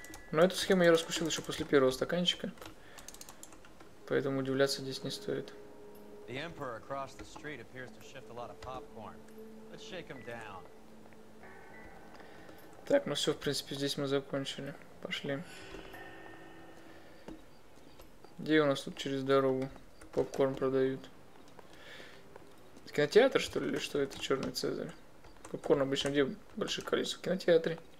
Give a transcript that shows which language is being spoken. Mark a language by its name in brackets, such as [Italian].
[Russian] Но эту схему я раскусил еще после первого стаканчика. Поэтому удивляться здесь не стоит. [English] The Emperor across the street appears to shift a lot of popcorn. Let's shake him down. [Russian] Так, ну все, в принципе, здесь мы закончили. Пошли. Где у нас тут через дорогу попкорн продают? Это кинотеатр, что ли, или что это, Черный Цезарь? Попкорн обычно где в больших количествах? В кинотеатре.